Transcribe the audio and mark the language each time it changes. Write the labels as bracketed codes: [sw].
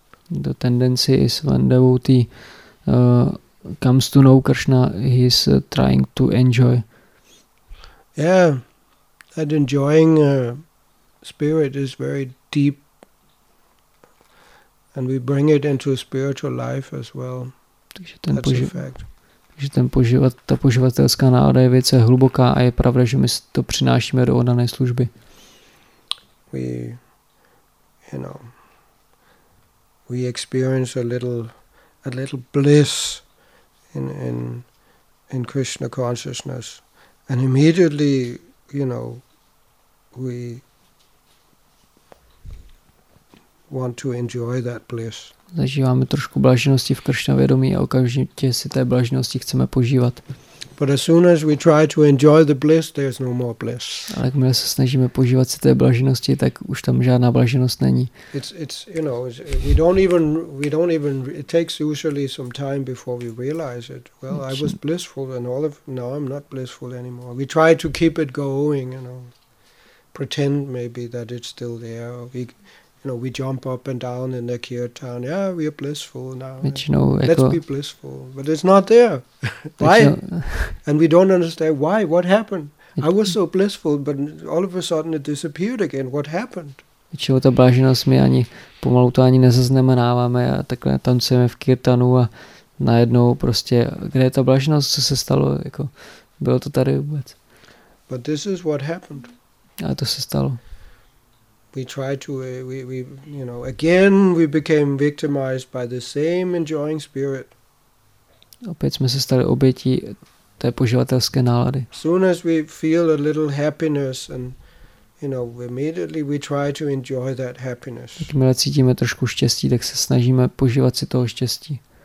[en] The tendency is when devotee comes to know Krishna, he is trying to enjoy. Yeah. That enjoying spirit is very deep, and we bring it into spiritual life as well. [cs] Takže ten ta poživatelská nálada je velice hluboká a je pravda, že my to přinášíme do oddané služby. [en] We, you know, we experience a little bliss in Krishna consciousness, and immediately, you know, we want to enjoy that bliss. [cs] Zažíváme trošku blaženosti v Kršnově vědomí a okamžitě si té blaženosti chceme požívat. [en] But as soon as we try to enjoy the bliss, there's no more bliss. [cs] Ale jakmile se snažíme požívat si té blaženosti, tak už tam žádná blaženost není. [en] It's you know, we don't even it takes usually some time before we realize it. Well, I was blissful and all of now I'm not blissful anymore. We try to keep it going, you know. Pretend maybe that it's still there. We jump up and down in the kirtan. Yeah, we are blissful now. [cs] Většinou, [en] let's [cs] jako [en] be blissful. But it's not there. Why? And we don't understand why. What happened? I was so blissful, but all of a sudden it disappeared again. What happened? [cs] Většinou ta bláženost my ani pomalu to ani nezaznamenáváme a takhle tancujeme v kirtanu a najednou prostě, kde je ta bláženost, co se stalo? Jako, bylo to tady vůbec? [en] But this is what happened. [cs] A to se stalo. [en] We try to we again we became victimized by the same enjoying spirit. [cs] Opět jsme se stali obětí té poživatelské nálady. [en] Soon as we feel a little happiness and you know immediately we try to enjoy that happiness. [cs] Jakmile cítíme trošku štěstí, tak se snažíme požívat si toho štěstí.